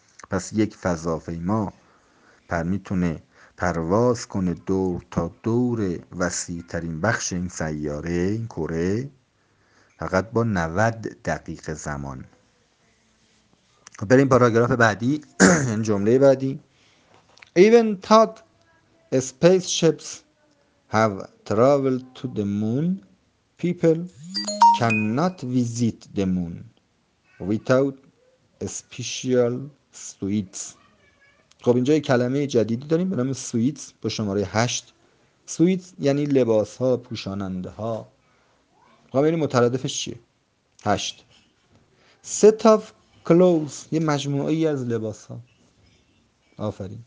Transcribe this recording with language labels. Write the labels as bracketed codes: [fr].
[fa] پس یک فضاپیما میتونه پرواز کنه دور تا دور وسیع ترین بخش این سیاره، این کره، فقط با 90 دقیقه زمان. بریم پاراگراف بعدی، جمله بعدی. [en] Even though spaceships have traveled to the moon, people cannot visit the moon without special suites. [fa] خب اینجا یک کلمه جدیدی داریم به نام سویت با شماره 8. سویت یعنی لباس ها، پوشاننده ها. خب یعنی مترادفش چیه؟ 8. [en] Set of clothes، [fa] یه مجموعه ای از لباس ها. آفرین.